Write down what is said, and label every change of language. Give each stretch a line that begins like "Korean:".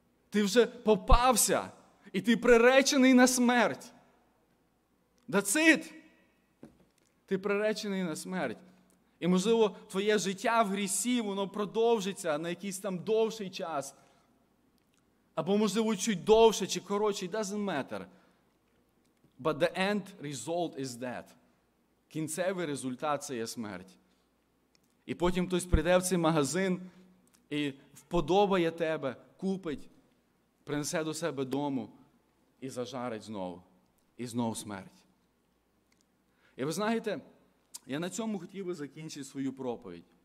Ukrainian: Ти вже попався, і ти приречений на смерть.
English: That's it.
Ukrainian: Ти приречений на смерть. І, можливо, твоє життя в грісі, воно продовжиться на якийсь там довший час. Або, можливо, чуть довше чи коротше.
English: It doesn't matter. But the end result is death.
Ukrainian: Кінцевий результат – це є смерть. І потім хтось прийде в цей магазин і вподобає тебе, купить, принесе до себе дому і зажарить знову. І знову смерть. І ви знаєте, я на цьому хотів би закінчити свою проповідь.